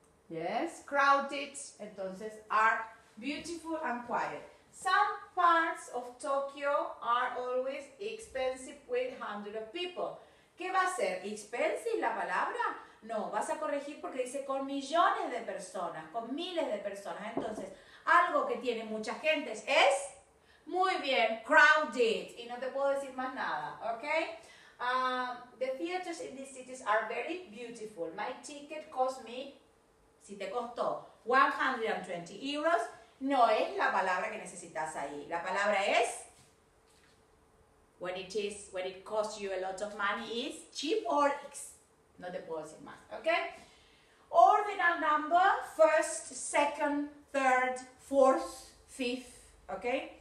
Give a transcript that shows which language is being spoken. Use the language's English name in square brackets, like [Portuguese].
[English] Yes, crowded, entonces, are beautiful and quiet. Some parts of Tokyo are always expensive with hundreds of people. [Spanish] ¿Qué va a ser? ¿Expensive la palabra? No, vas a corregir porque dice con millones de personas, con miles de personas. Entonces, algo que tiene mucha gente es, muy bien, crowded. Y no te puedo decir más nada, ¿ok? [English] The theaters in these cities are very beautiful. My ticket cost me... [Spanish] Si te costó 120 euros, no es la palabra que necesitas ahí. La palabra es, [English] when it costs you a lot of money, is cheap or ex. [Spanish] No te puedo decir más, ¿ok? [English] Ordinal number, first, second, third, fourth, fifth, [Spanish] ¿ok?